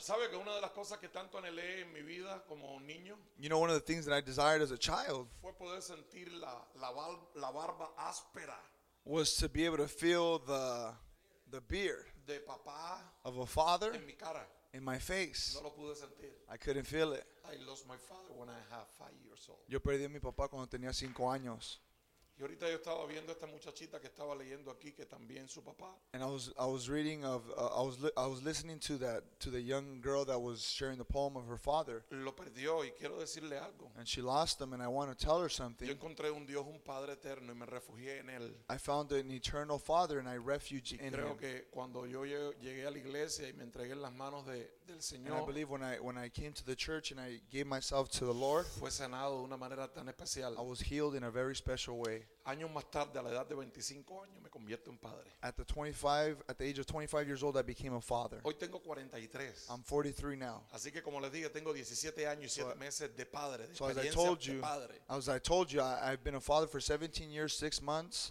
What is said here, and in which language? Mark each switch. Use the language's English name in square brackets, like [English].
[Spanish] ¿Sabe que una de las cosas que tanto anhelé en mi vida como niño? [English] You know, one of the things that I desired as a child [Spanish] fue poder sentir la barba áspera. [English] Was to be able to feel the the beard [Spanish] de papá [English] of a father [Spanish] en mi cara. [English] In my face. [Spanish] No lo pude sentir. [English] I couldn't feel it. I lost my father when I had 5 years old. [Spanish] Yo perdí a mi papá cuando tenía 5 años. Y ahorita yo estaba viendo esta muchachita que estaba leyendo aquí que también su papá. [English] And I was listening to the young girl that was sharing the poem of her father. [Spanish] Lo perdió y quiero decirle algo. [English] And she lost him and I want to tell her something. [Spanish] Yo encontré un Dios, un padre eterno y me refugié en él. [English] I found an eternal father and I refuge in him. [Spanish] Creo que cuando yo llegué a la iglesia y me entregué en las manos del Señor. [English] And I believe when I came to the church and I gave myself to the Lord. [Spanish] Fue sanado de una manera tan especial. [English] I was healed in a very special way. [Spanish] Años más tarde, a la edad de 25 años, me convierto en padre. [English] At the age of 25 years old, I became a father. [Spanish] Hoy tengo 43. [English] I'm 43 now. [Spanish] Así que como les dije, tengo 17 años y 7 meses de padre. [English] So as I told you, I've been a father for 17 years, 6 months.